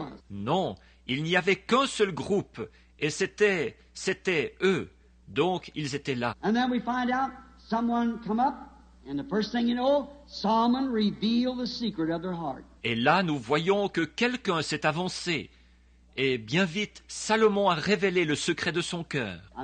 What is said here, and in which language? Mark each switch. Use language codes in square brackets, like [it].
[fr] Non, il n'y avait qu'un seul groupe, et c'était eux. Donc, ils étaient là. [en] And then we find out, someone come up, and the first thing you know, Solomon revealed the secret of their heart. [fr] Et là, nous voyons que quelqu'un s'est avancé. Et bien vite, Salomon a révélé le secret de son cœur.